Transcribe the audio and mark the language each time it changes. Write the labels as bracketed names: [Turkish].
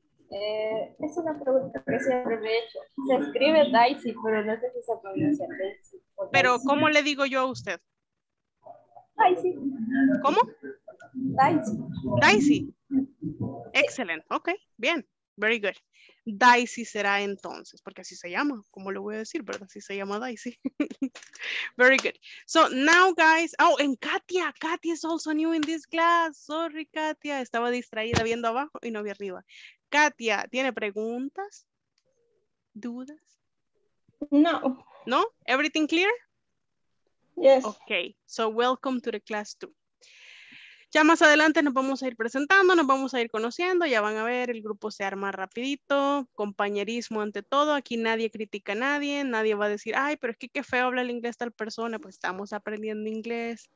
[Spanish] Es una pregunta que siempre me he hecho. Se escribe Daisy, pero no sé si se pronuncia Daisy. ¿Pero cómo le digo yo a usted? Daisy. ¿Cómo? Daisy. Daisy. Excelente. Ok, bien. [English] Very good. [Spanish] Daisy será entonces, porque así se llama, como lo voy a decir, ¿verdad? Así se llama Daisy. [English] Very good. So now guys, oh, and Katia, Katia is also new in this class. [Spanish] Sorry, Katia, estaba distraída viendo abajo y no vi arriba. Katia, ¿tiene preguntas? ¿Dudas? No. [English] ¿No? Everything clear? Yes. Okay, so welcome to the class too. [Spanish] Ya más adelante nos vamos a ir presentando, nos vamos a ir conociendo, ya van a ver, el grupo se arma rapidito, compañerismo ante todo, aquí nadie critica a nadie, nadie va a decir, ay, pero es que qué feo habla el inglés tal persona, pues estamos aprendiendo inglés.